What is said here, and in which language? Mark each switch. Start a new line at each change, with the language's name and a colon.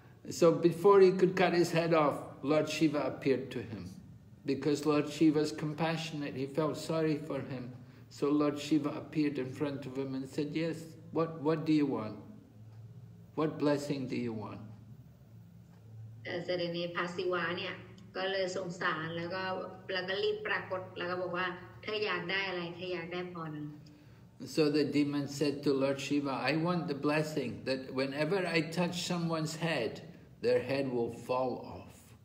English: So before he could cut his head off, Lord Shiva appeared to him. Because Lord Shiva is compassionate, he felt sorry for him. So Lord Shiva appeared in front of him and said, Yes, what do you want? What blessing do you want?
Thai: พระศิวะเนี่ยก็เลยสงสารแล้วก็รีบปรากฏแล้วก็บอกว่าเธออยากได้อะไรเธออยากได้พร
English: So the demon said to Lord Shiva, I want the blessing that whenever I touch someone's head, their head will fall off.